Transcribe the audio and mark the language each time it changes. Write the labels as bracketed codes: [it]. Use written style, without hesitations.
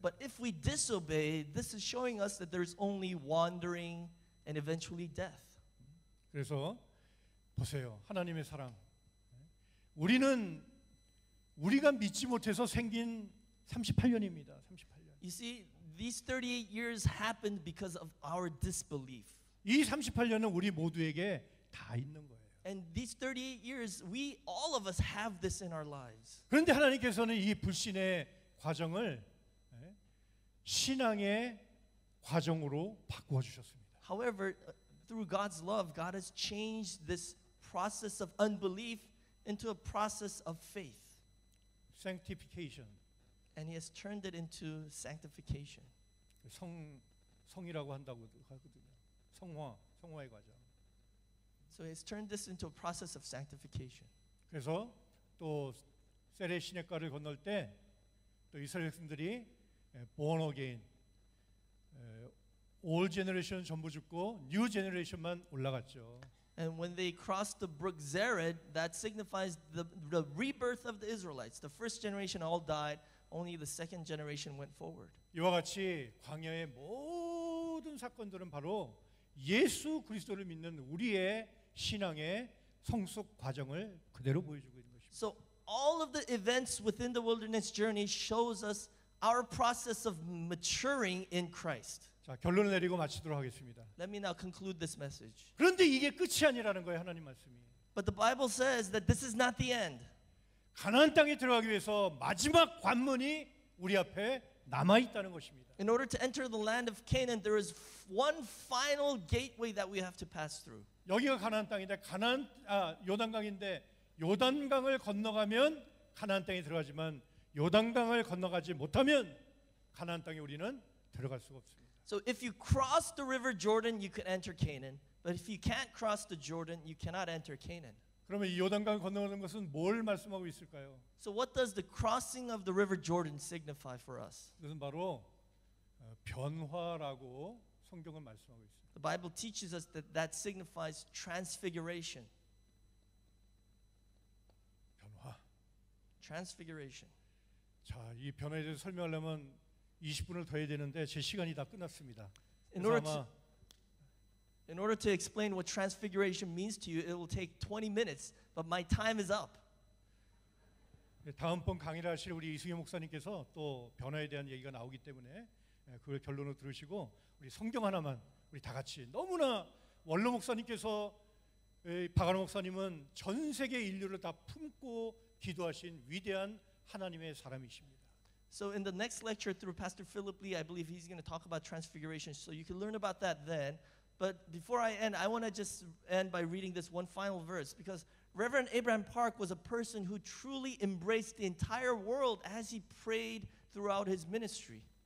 [en] But if we disobey, this is showing us that there's only wandering and eventually death. [ko] 그래서 보세요. 하나님의 사랑. 우리는 우리가 믿지 못해서 생긴 38년입니다. 38년. [en] You see, these 38 years happened because of our disbelief. [ko] 이 38년은 우리 모두에게 다 있는 거예요. [en] And these 38 years, we all of us have this in our lives. [ko] 그런데 하나님께서는 이 불신의 과정을 신앙의 과정으로 바꾸어 주셨습니다. [en] However, through God's love, God has changed this process of unbelief into a process of faith. Sanctification. And he has turned it into sanctification. [ko] 성이라고 한다고 하거든요. 성화, 성화의 과정. [en] So he has turned this into a process of sanctification. [ko] 그래서 또 세례 시냇가를 건널 때 또 이스라엘 백성들이 [en] born again, old generation [ko] 전부 죽고 [en] new generation [ko] 만 올라갔죠. [en] And when they crossed the brook Zered, that signifies the rebirth of the Israelites. The first generation all died, only the second generation went forward. [ko] 이와 같이 광야의 모든 사건들은 바로 예수 그리스도를 믿는 우리의 신앙의 성숙 과정을 그대로 보여주고 있는 것입니다. [en] So all of the events within the wilderness journey shows us our process of maturing in Christ. [ko] 자, 결론을 내리고 마치도록 하겠습니다. [en] Let me now conclude this message. [ko] 그런데 이게 끝이 아니라는 거예요, 하나님 말씀이. [en] But the Bible says that this is not the end. [ko] 가나안 땅에 들어가기 위해서 마지막 관문이 우리 앞에 남아 있다는 것입니다. [en] In order to enter the land of Canaan, there is one final gateway that we have to pass through. [ko] 여기가 가나안 땅인데 가나안 요단강인데 요단강을 건너가면 가나안 땅에 들어가지만 요단강을 건너가지 못하면 가나안 땅에 우리는 들어갈 수가 없습니다. [en] So if you cross the river Jordan, you can enter Canaan. But if you can't cross the Jordan, you cannot enter Canaan. [ko] 그러면 이 요단강을 건너가는 것은 뭘 말씀하고 있을까요? [en] So what does the crossing of the river Jordan signify for us? [ko] 이것은 바로 변화라고 성경은 말씀하고 있습니다. [en] The Bible teaches us that that signifies transfiguration. [ko] 변화. [en] Transfiguration. [ko] 자, 이 변화에 대해서 설명하려면 20분을 더 해야 되는데 제 시간이 다 끝났습니다. [en] In order to explain what transfiguration means to you, it will take 20 minutes, but my time is up. [ko] 다음번 강의를 하실 우리 이승희 목사님께서 또 변화에 대한 얘기가 나오기 때문에 그걸 결론으로 들으시고 우리 성경 하나만 우리 다 같이 너무나 원로 목사님께서 박아노 목사님은 전 세계 인류를 다 품고 기도하신 위대한 하나님의 사람이십니다. [en] So in the next lecture through Pastor Philip Lee, I believe he's going to talk about transfiguration. So you can learn about that then. But before I end, I want to just end by reading this one final verse because Reverend Abraham Park was a person who truly embraced the entire world as he prayed throughout his ministry.